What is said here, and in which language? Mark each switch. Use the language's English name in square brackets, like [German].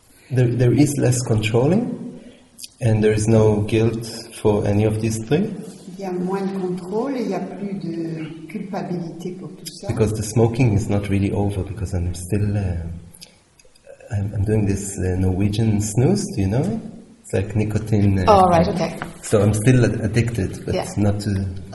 [English] There is less controlling, and there is no guilt for any of these three. [French] Il y a moins de contrôle et il y a plus de culpabilité pour tout ça. [English] Because the smoking is not really over, because I'm still I'm doing this Norwegian snooze. Do you know it? It's like nicotine. Oh, right, okay. So I'm still addicted, but yeah. Not to.